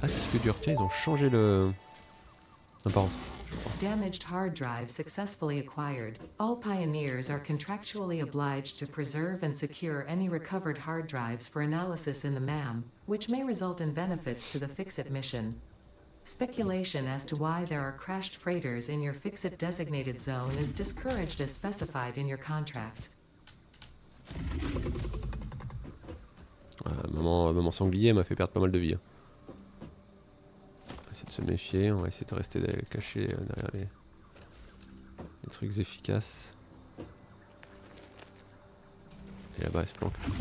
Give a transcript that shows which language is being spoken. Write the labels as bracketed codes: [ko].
[fr] Ah, disque dur, tiens, ils ont changé le. N'importe. [en] Damaged hard drive successfully acquired. All pioneers are contractually obliged to preserve and secure any recovered hard drives for analysis in the MAM, which may result in benefits to the Fixit mission. Speculation as to why there are crashed freighters in your Fixit designated zone is discouraged as specified in your contract. [fr] Maman sanglier m'a fait perdre pas mal de vie. De se méfier, on va essayer de rester caché derrière les trucs efficaces. Et là-bas, il se planque.